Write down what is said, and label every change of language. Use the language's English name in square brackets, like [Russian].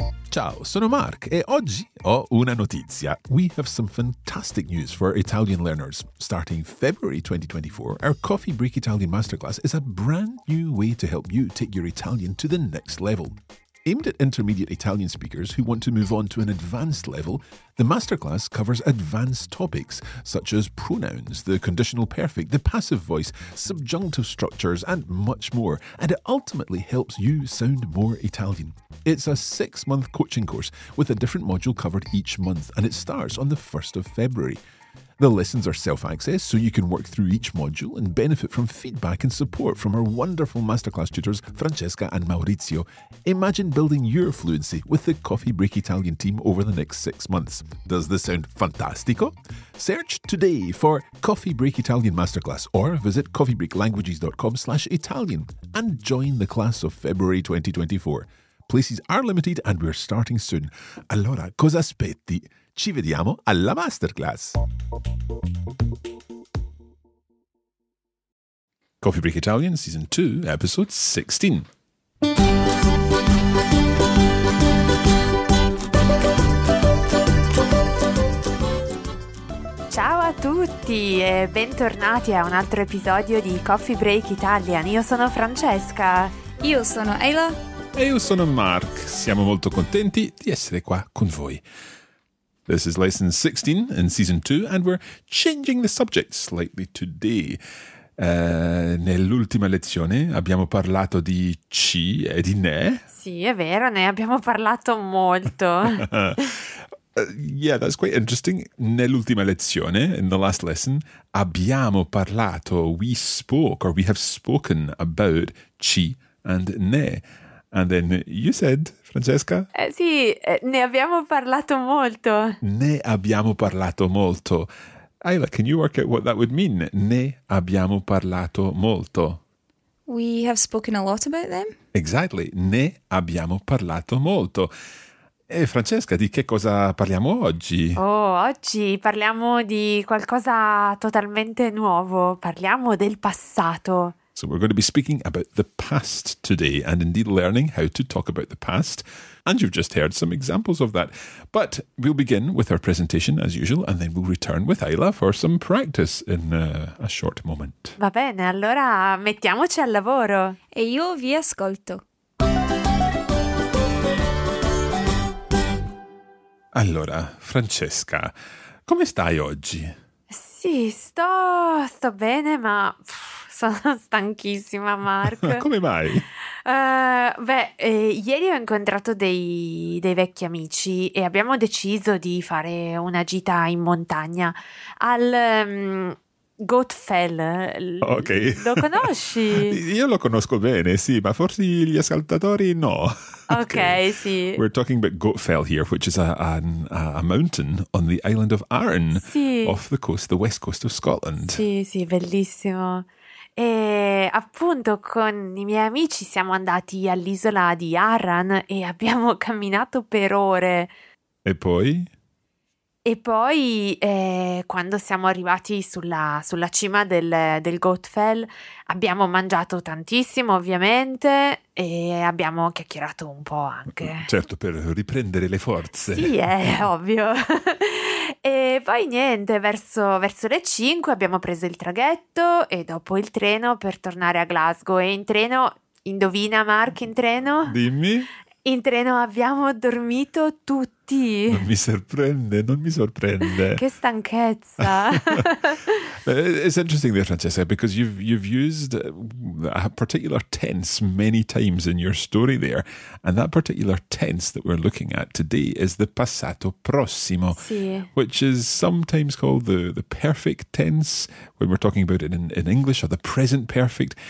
[Italian] Ciao, sono Mark e oggi ho una notizia. [English] We have some fantastic news for Italian learners. Starting February 2024, our Coffee Break Italian Masterclass is a brand new way to help you take your Italian to the next level. Aimed at intermediate Italian speakers who want to move on to an advanced level, the masterclass covers advanced topics such as pronouns, the conditional perfect, the passive voice, subjunctive structures, and much more, and it ultimately helps you sound more Italian. It's a six-month coaching course with a different module covered each month, and it starts on the 1st of February. The lessons are self-access, so you can work through each module and benefit from feedback and support from our wonderful masterclass tutors, Francesca and Maurizio. Imagine building your fluency with the Coffee Break Italian team over the next 6 months. Does this sound fantastico? Search today for Coffee Break Italian Masterclass or visit coffeebreaklanguages.com/Italian and join the class of February 2024. Places are limited and we're starting soon. [Italian] Allora, cosa aspetti? Ci vediamo alla masterclass. Coffee Break Italian, Season 2, Episode 16. Ciao a tutti e bentornati a un altro episodio di Coffee Break Italian. Io sono Francesca. Io sono Ayla. E io sono Mark. Siamo molto contenti di essere qua con voi. [English] This is lesson 16 in season 2, and we're changing the subject slightly today. [Italian] Nell'ultima lezione abbiamo parlato di ci e di ne. Sì, è vero, ne abbiamo parlato molto. [English] Yeah, that's quite interesting. [Italian] Nell'ultima lezione, [English] in the last lesson, [Italian] abbiamo parlato, [English] we have spoken about ci and ne. And then you said, Francesca? [Italian] Ne abbiamo parlato molto. Ne abbiamo parlato molto. [English] Ayla, can you work out what that would mean? [Italian] Ne abbiamo parlato molto. [English] We have spoken a lot about them. Exactly. [Italian] Ne abbiamo parlato molto. E Francesca, di che cosa parliamo oggi? Oh, oggi parliamo di qualcosa totalmente nuovo. Parliamo del passato. [English] So we're going to be speaking about the past today and indeed learning how to talk about the past. And you've just heard some examples of that. But we'll begin with our presentation as usual and then we'll return with Ayla for some practice in a short moment. [Italian] Va bene, allora mettiamoci al lavoro. E io vi ascolto. Allora, Francesca, come stai oggi? Sì, sto bene, ma... Sono stanchissima, Mark. Come mai? Ieri ho incontrato dei vecchi amici e abbiamo deciso di fare una gita in montagna al Gottfell. Ok. Lo conosci? Io lo conosco bene, sì, ma forse gli ascoltatori no. Okay, sì. [English] We're talking about Gottfell here, which is a mountain on the island of Arran, [Italian] sì. [English] Off the coast, the west coast of Scotland. [Italian] Sì, sì, bellissimo. E appunto con i miei amici siamo andati all'isola di Arran e abbiamo camminato per ore. E poi? E poi quando siamo arrivati sulla cima del Gottfell abbiamo mangiato tantissimo ovviamente e abbiamo chiacchierato un po' anche. Certo, per riprendere le forze. Sì, è ovvio. E poi niente, verso le 5 abbiamo preso il traghetto e dopo il treno per tornare a Glasgow. E in treno, indovina Mark, in treno? Dimmi. In treno abbiamo dormito tutti. Non mi sorprende. Che stanchezza. [English] It's interesting there, Francesca, because you've used a particular tense many times in your story there. And that particular tense that we're looking at today is the passato prossimo, [Italian] sì. [English] Which is sometimes called the perfect tense when we're talking about it in English, or the present perfect.